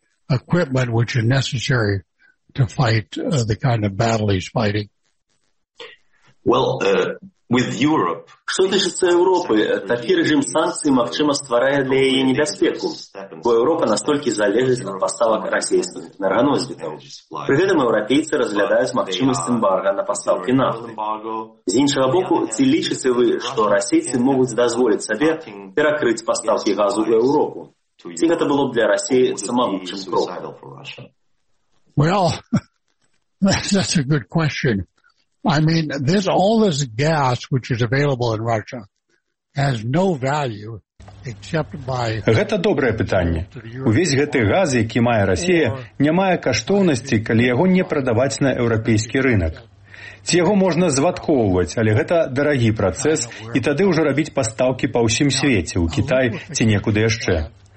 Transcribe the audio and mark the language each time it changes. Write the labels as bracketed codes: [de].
[en] Equipment, which is necessary to fight the kind of battle he's fighting. Well, with Europe... [uk] Що тичеться Європи, такий режим санкцій, можливо, створює для її небезпеку, бо Європа настільки залежить від поставок російських енергоносіїв. При цьому європейці розглядають можливість ембарго на поставки нафти. З іншого боку, чи лічите ви, що російці можуть дозволити собі перекрити поставки газу в Європу? [be] Ці гэта было б для Расіі самавучым крокам? [en] Well, that's a good question. I mean, this all this gas which is available in Russia has no value. [be] Гэта добрае пытанне. Увесь гэты газ, які мае Расія, не мае каштоўнасці, калі яго не прадаваць на еўрапейскі рынак. Ці яго можна звадкоўваць, але гэта дарагі працэс, і тады ўжо рабіць пастаўкі па ўсім свеце, ў Кітай ці некуды яшчэ.